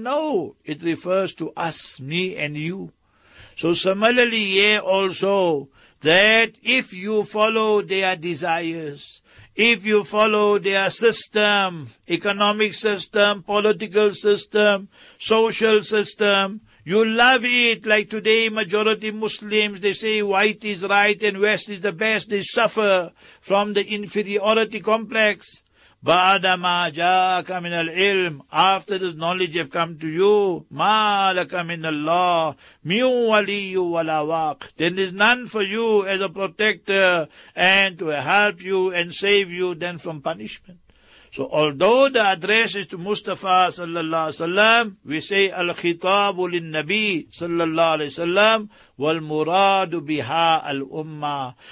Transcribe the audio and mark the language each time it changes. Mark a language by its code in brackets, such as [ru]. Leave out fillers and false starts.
[en] No, it refers to us, me and you. So similarly, yeah, also, that if you follow their desires, if you follow their system, economic system, political system, social system, you love it. Like today, majority Muslims, they say white is right and west is the best. They suffer from the inferiority complex. [ar] بَعْدَ مَا جَاءَكَ مِنَ الْعِلْمِ. [en] After this knowledge have come to you, [ar] مَا لَكَ مِنَ اللَّهِ مِنْ وَلِيُّ وَلَا وَاقٍ. [en] Then there is none for you as a protector and to help you and save you then from punishment. So although the address is to Mustafa sallallahu alaihi wasallam, we say [ar] الْخِطَابُ لِلنَّبِيِّ [en] sallallahu alaihi wasallam [ar] وَالْمُرَادُ بِهَا الْأُمَّةِ.